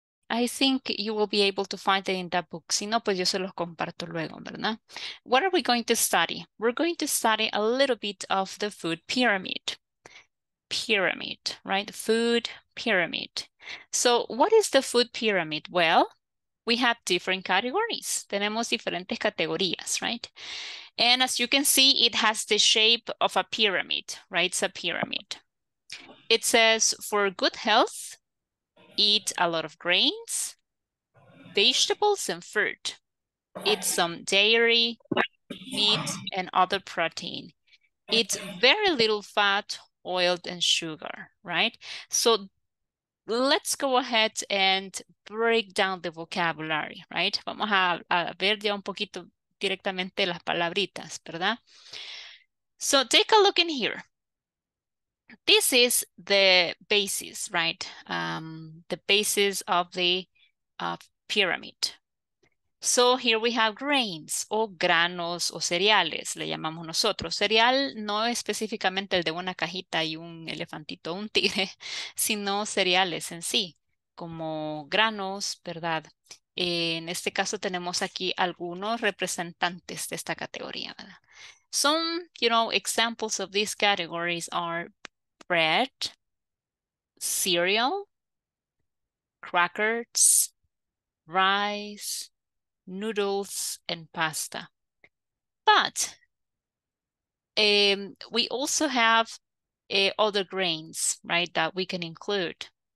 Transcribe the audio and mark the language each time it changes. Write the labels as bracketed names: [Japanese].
[English] I think you will be able to find it in that book. [Spanish] Si no, pues yo se los comparto luego, ¿verdad? [English] What are we going to study? We're going to study a little bit of the food pyramid. Pyramid, right? Food pyramid. So what is the food pyramid? Well, we have different categories. [Spanish] Tenemos diferentes categorías, [English] right? And as you can see, it has the shape of a pyramid, right? It's a pyramid. It says for good health, eat a lot of grains, vegetables and fruit, eat some dairy, meat and other protein, eat very little fat, oil and sugar, right? So let's go ahead and break down the vocabulary, right? [Spanish] Vamos a ver ya un poquito directamente las palabritas, ¿verdad? [English] So take a look in here. This is the basis, right? The basis of the pyramid. So here we have grains [Spanish] o granos o cereales, le llamamos nosotros. Cereal no específicamente el de una cajita y un elefantito, un tigre, sino cereales en sí, como granos, ¿verdad? En este caso tenemos aquí algunos representantes de esta categoría, ¿verdad? [English] Some, you know, examples of these categories are bread, cereal, crackers, rice, noodles, and pasta. But we also have other grains, right, that we can include.